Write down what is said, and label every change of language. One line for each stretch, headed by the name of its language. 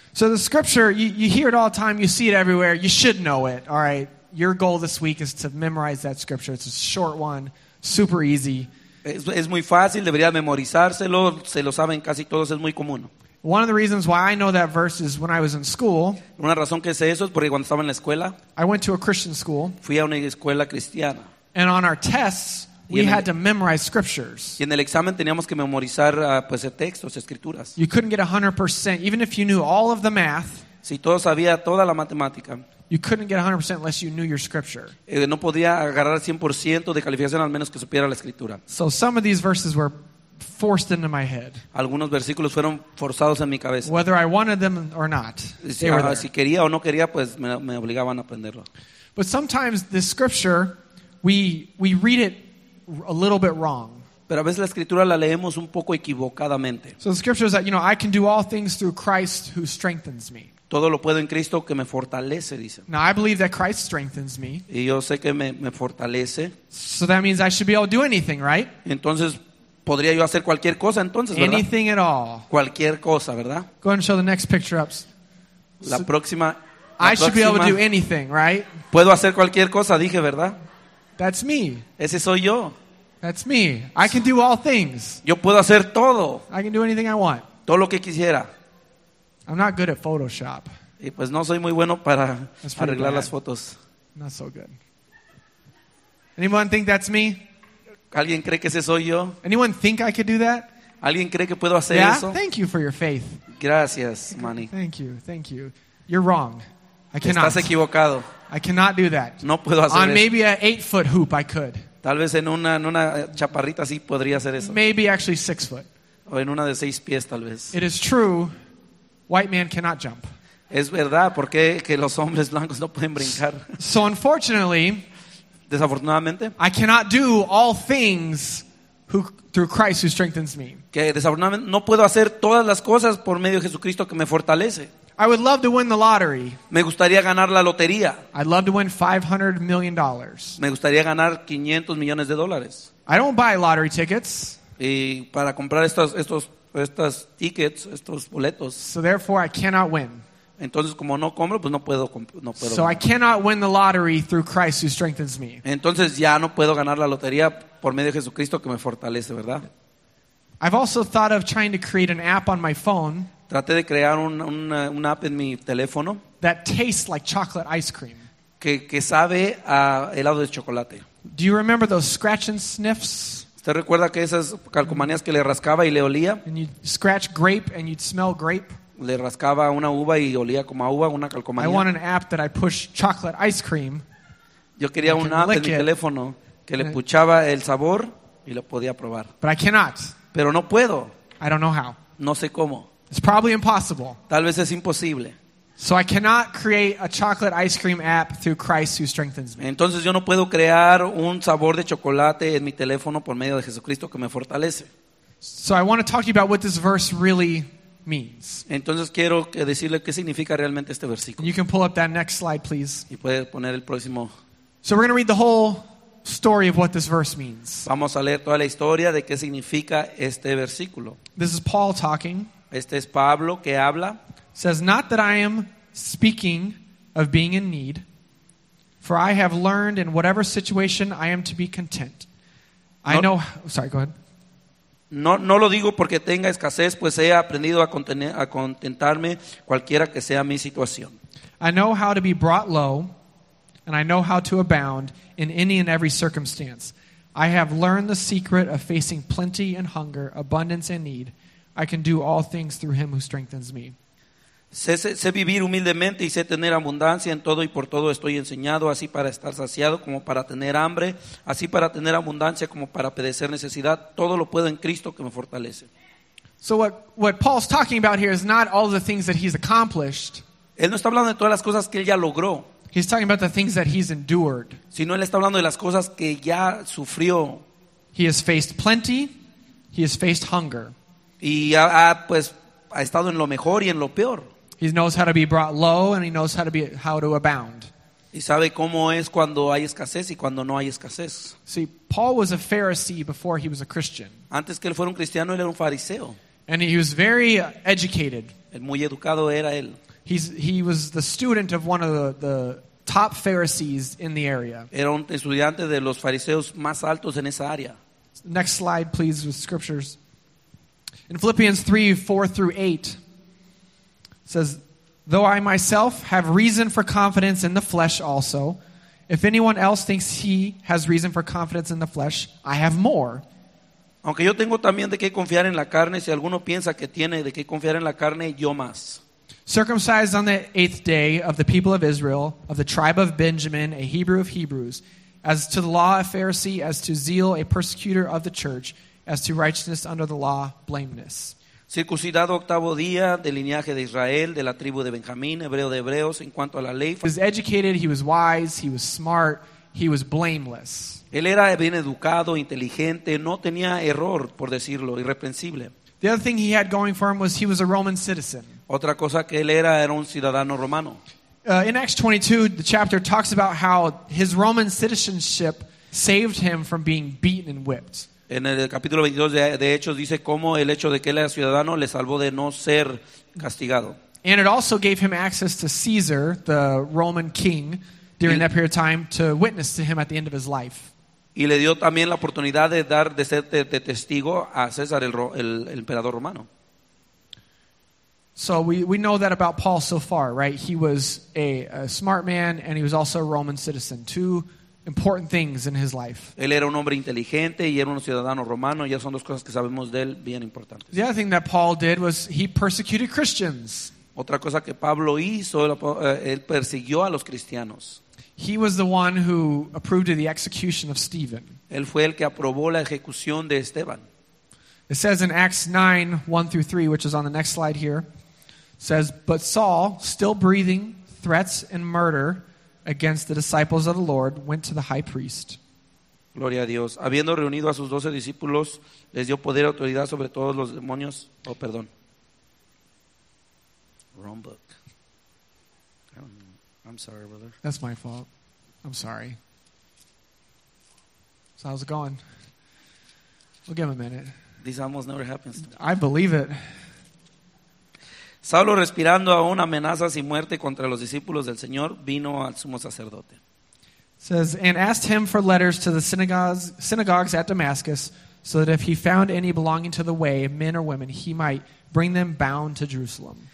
English: So the scripture, you hear it all the time. You see it everywhere. You should know it, all right? Your goal this week is to memorize that scripture. It's a short one, super easy.
Spanish: Es muy fácil. Debería memorizárselo. Se lo saben casi todos. Es muy común.
English: One of the reasons why I know that verse is when I was in school.
Spanish: Una razón que sé eso es porque cuando estaba en la escuela.
English: I went to a Christian school.
Spanish: Fui a una escuela cristiana.
English: And on our tests, we had to memorize scriptures.
Spanish: Y en el examen teníamos que memorizar pues textos, escrituras.
English: You couldn't get 100% even if you knew all of the math.
Spanish: Si todo sabía toda la matemática.
English: You couldn't get 100% unless you knew your scripture.
Spanish: No podía agarrar 100% de calificación al menos que supiera la escritura.
English: So some of these verses were forced into my head.
Spanish: Algunos versículos fueron forzados en mi cabeza.
English: Whether I wanted them or not.
Spanish: Si quería o no quería, pues me obligaban a aprenderlo.
English: But sometimes the scripture we read it a little bit wrong.
Spanish: Pero a veces la escritura la leemos un poco equivocadamente.
English: So the scripture is that, you know, I can do all things through Christ who strengthens me.
Spanish: Todo lo puedo en Cristo que me fortalece, dice.
English: Now I believe that Christ strengthens me.
Spanish: Y yo sé que me fortalece.
English: So that means I should be able to do anything, right?
Spanish: Entonces podría yo hacer cualquier cosa entonces, ¿verdad?
English: Anything at all.
Spanish: Cualquier cosa, ¿verdad?
English: Go ahead and show the next picture up.
Spanish: La próxima.
English: I should be able to do anything, right?
Spanish: Puedo hacer cualquier cosa, dije, ¿verdad?
English: That's me.
Spanish: Ese soy yo.
English: That's me. I can do all things.
Spanish: Yo puedo hacer todo.
English: I can do anything I want.
Spanish: Todo lo que quisiera.
English: I'm not good at Photoshop.
Spanish: Y pues no soy muy bueno para arreglar las fotos.
English: Not so good. Anyone think that's me?
Spanish: ¿Alguien cree que ese soy yo?
English: Anyone think I could do that?
Spanish: ¿Alguien cree que puedo hacer
English: yeah?
Spanish: eso?
English: Thank you for your faith.
Spanish: Gracias, Manny.
English: Thank you. You're wrong. I cannot.
Spanish: Estás equivocado.
English: I cannot do that.
Spanish: No puedo hacer
English: On On maybe an 8-foot hoop, I could.
Spanish: Tal vez en una chaparrita sí podría hacer eso.
English: Maybe actually 6-foot.
Spanish: O en una de 6 pies, tal vez.
English: It is true, white man cannot jump.
Spanish: Es verdad, porque que los hombres blancos no pueden brincar.
English: So unfortunately...
Spanish: Desafortunadamente,
English: I cannot do all things through Christ who strengthens me.
Spanish: Que desafortunadamente no puedo hacer todas las cosas por medio de Jesucristo que me fortalece.
English: I would love to win the lottery.
Spanish: Me gustaría ganar la lotería.
English: I'd love to win $500 million.
Spanish: Me gustaría ganar $500 millones.
English: I don't buy lottery tickets.
Spanish: Y para comprar estos tickets, estos boletos.
English: So therefore I cannot win.
Spanish: Entonces como no compro, pues no puedo.
English: So I cannot win the lottery through Christ who strengthens me.
Spanish: Entonces ya no puedo ganar la lotería por medio de Jesucristo que me fortalece, ¿verdad?
English: I've also thought of trying to create an app on my phone.
Spanish: Traté de crear una app en mi teléfono.
English: That tastes like chocolate ice cream.
Spanish: Que sabe a helado de chocolate.
English: Do you remember those scratch and sniffs?
Spanish: ¿Usted recuerda que esas calcomanías que le rascaba y le olía?
English: And you'd scratch grape and you'd smell grape.
Spanish: Le rascaba una uva y olía como a uva, una calcomanía.
English: I want an app that I push chocolate ice cream.
Spanish: Yo quería una app en mi teléfono que le puchaba el sabor y lo podía probar.
English: But I cannot.
Spanish: Pero no puedo.
English: I don't know how.
Spanish: No sé cómo.
English: It's probably impossible.
Spanish: Tal vez es imposible.
English: So I cannot create a chocolate ice cream app through Christ who strengthens me.
Spanish: Entonces yo no puedo crear un sabor de chocolate en mi teléfono por medio de Jesucristo que me fortalece.
English: So I want to talk to you about what this verse really means.
Spanish: Entonces quiero decirle qué significa realmente este versículo.
English: You can pull up that next slide, please.
Spanish: Y puede poner el próximo.
English: So we're going to read the whole story of what this verse means.
Spanish: Vamos a leer toda la historia de qué significa este versículo.
English: This is Paul talking.
Spanish: Este es Pablo que habla.
English: Says, not that I am speaking of being in need, for I have learned in whatever situation I am to be content. Go ahead.
Spanish: No lo digo porque tenga escasez, pues he aprendido a contentarme cualquiera que sea mi situación.
English: I know how to be brought low, and I know how to abound in any and every circumstance. I have learned the secret of facing plenty and hunger, abundance and need. I can do all things through him who strengthens me.
Spanish: Sé vivir humildemente y sé tener abundancia en todo y por todo estoy enseñado, así para estar saciado como para tener hambre, así para tener abundancia como para padecer necesidad. Todo lo puedo en Cristo que me fortalece.
English: So what Paul's talking about here is not all the things that he's accomplished.
Spanish: Él no está hablando de todas las cosas que él ya logró.
English: He's talking about the things that he's endured.
Spanish: Sino él está hablando de las cosas que ya sufrió.
English: He has faced plenty. He has faced hunger.
Spanish: Y ha estado en lo mejor y en lo peor.
English: He knows how to be brought low and he knows how to abound.
Spanish: Y sabe cómo es cuando hay escasez y cuando no hay escasez.
English: See, Paul was a Pharisee before he was a Christian.
Spanish: Antes que él fuera un cristiano, él era un fariseo.
English: And he was very educated.
Spanish: El muy educado era él.
English: He was the student of one of the top Pharisees in the area.
Spanish: Era un estudiante de los fariseos más altos en esa área.
English: Next slide, please, with scriptures. In Philippians 3:4-8, it says, though I myself have reason for confidence in the flesh also, if anyone else thinks he has reason for confidence in the flesh, I have more.
Spanish: Aunque yo tengo también de qué confiar en la carne, si alguno piensa que tiene de qué confiar en la carne, yo más.
English: Circumcised on the eighth day of the people of Israel, of the tribe of Benjamin, a Hebrew of Hebrews, as to the law, a Pharisee, as to zeal, a persecutor of the church, as to righteousness under the law, blameless.
Spanish: Circuncidado octavo día, del linaje de Israel, de la tribu de Benjamín, hebreo de hebreos, en cuanto a la ley.
English: He was educated, he was wise, he was smart, he was blameless.
Spanish: Él era bien educado, inteligente, no tenía error, por decirlo, irreprensible.
English: The other thing he had going for him was he was a Roman citizen.
Spanish: Otra cosa que él era un ciudadano romano.
English: In Acts 22, the chapter talks about how his Roman citizenship saved him from being beaten and whipped.
Spanish: En el capítulo 22 de Hechos dice cómo el hecho de que él era ciudadano le salvó de no ser castigado.
English: And it also gave him access to Caesar, the Roman king, during that period of time to witness to him at the end of his life.
Spanish: Y le dio también la oportunidad de ser testigo a César, el emperador romano.
English: So we know that about Paul so far, right? He was a smart man and he was also a Roman citizen, too. Important things in his life.
Spanish: Él era un hombre inteligente y era un ciudadano romano. Ya son dos cosas que sabemos de él bien importantes.
English: The other thing that Paul did was he persecuted Christians.
Spanish: Otra cosa que Pablo hizo, él persiguió a los cristianos.
English: He was the one who approved of the execution of Stephen.
Spanish: Él fue el que aprobó la ejecución de Esteban.
English: It says in Acts 9:1-3, which is on the next slide here, says, but Saul, still breathing threats and murder against the disciples of the Lord, went to the high priest.
Spanish: Gloria a Dios. Habiendo reunido a sus 12 discípulos, les dio poder y autoridad sobre todos los demonios. Oh, perdón.
English: Wrong book. I'm sorry, brother. That's my fault. I'm sorry. So how's it going? We'll give him a minute. This almost never happens. I believe it.
Spanish: Saulo, respirando aún amenazas y muerte contra los discípulos del Señor, vino al sumo sacerdote.
English: It says, and asked him for letters to the synagogues at Damascus, so that if he found any belonging to the way, men or women, he might bring them bound to Jerusalem.